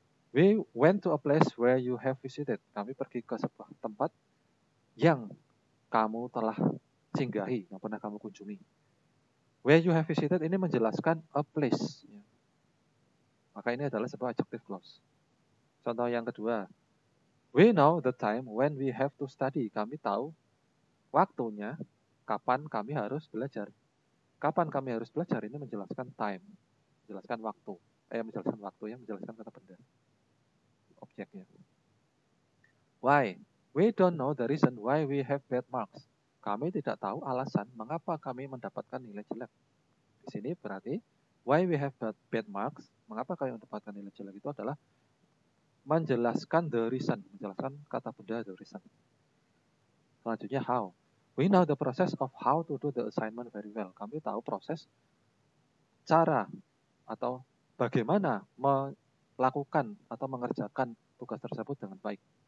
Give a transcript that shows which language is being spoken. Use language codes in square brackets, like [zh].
[en] We went to a place where you have visited. [id] Kami pergi ke sebuah tempat yang kamu telah singgahi, yang pernah kamu kunjungi. [en] Where you have visited [id] ini menjelaskan a place. Ya. Maka ini adalah sebuah adjective clause. Contoh yang kedua. [en] We know the time when we have to study. [id] Kami tahu waktunya kapan kami harus belajar. Kapan kami harus belajar ini menjelaskan time, menjelaskan waktu, menjelaskan kata benda, objeknya. [en] Why? We don't know the reason why we have bad marks. [id] Kami tidak tahu alasan mengapa kami mendapatkan nilai jelek. Di sini berarti [en] why we have bad marks, [id] mengapa kami mendapatkan nilai jelek itu adalah menjelaskan the reason, menjelaskan kata benda the reason. Selanjutnya how. [en] We know the process of how to do the assignment very well. [id] Kami tahu proses cara atau bagaimana melakukan atau mengerjakan tugas tersebut dengan baik.